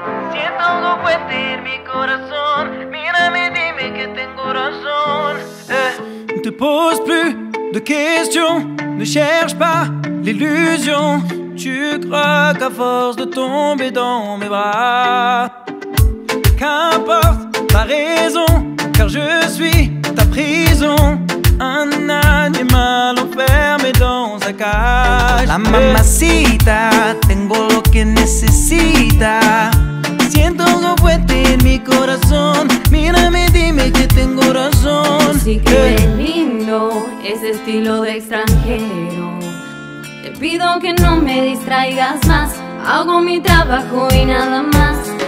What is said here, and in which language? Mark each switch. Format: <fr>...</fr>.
<es>Siento algo latir mi corazón. Mírame, dime que tengo razón.</es> <fr>Ne te pose plus de questions. Ne cherche pas l'illusion. Tu crois qu'à force de tomber dans mes bras, qu'importe ta raison, car je suis ta prison. Un animal enfermé dans un cage.</fr> <es>La mamacita, tengo lo que necesita. Siento algo fuerte en mi corazón. Mírame, dime que tengo razón. Sí que es lindo ese estilo de extranjero. Te pido que no me distraigas más. Hago mi trabajo y nada más.</es>